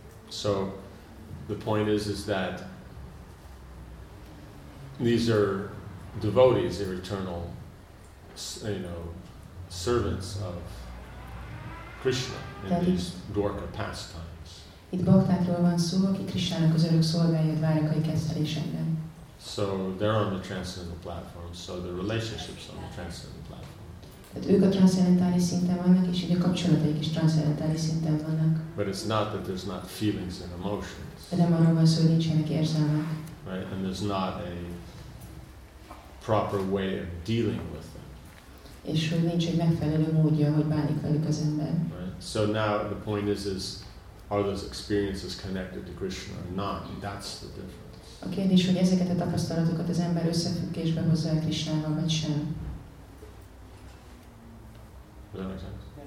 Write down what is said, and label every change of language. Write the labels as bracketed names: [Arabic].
[English] So the point is that these are devotees, they're eternal, you know, servants of Krishna in these Dwarka pastimes. [Hungarian] Itt baktákról van szó, aki Krishnának az örök szolgáját várják a keresztelésekben. [English] So they're on the transcendental platform, so the relationships on the transcendental platform. [Hungarian] Tehát ők a transzcendentális szinten vannak, és így a kapcsolataik is transzcendentális szinten vannak. [English] But it's not that there's not feelings and emotions. [Hungarian] De nem arról van szó, hogy nincsenek érzelmek. [English] Right? And there's not a proper way of dealing with them. [Hungarian] És hogy nincs egy megfelelő módja, hogy bánik velük az ember. [English] Right? So now the point is are those experiences connected to Krishna or not? That's the difference. [Hungarian] A kérdés, hogy ezeket a tapasztalatokat az ember összefüggésbe hozza a Krishnával, vagy sem. [English] Does that make sense?